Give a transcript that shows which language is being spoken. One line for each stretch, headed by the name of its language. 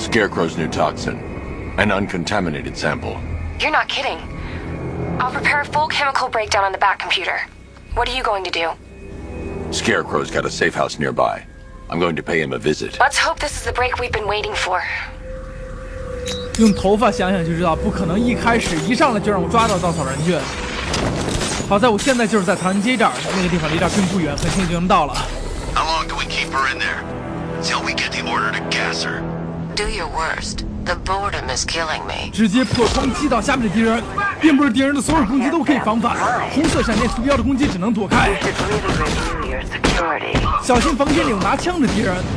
English: Scarecrow's new toxin. An uncontaminated sample. You're not kidding. I'll prepare a full chemical breakdown on the back computer. What are you going to do? Scarecrow's got a safe house nearby. I'm going to pay him a visit. Let's hope this is the break we've been waiting for.
Chinese: 用头发想想就知道，不可能一开始一上来就让我抓到稻草人去。好在我现在就是在唐人街这儿，那个地方离这儿并不远，很轻易就能到了。
English: How long do we keep her in there? Till we get the order to gas her. Do your worst. The boredom is killing me.
Chinese: 直接破窗击倒下面的敌人，并不是敌人的所有攻击都可以防反，红色闪电图标的攻击只能躲开。小心房间里有拿枪的敌人。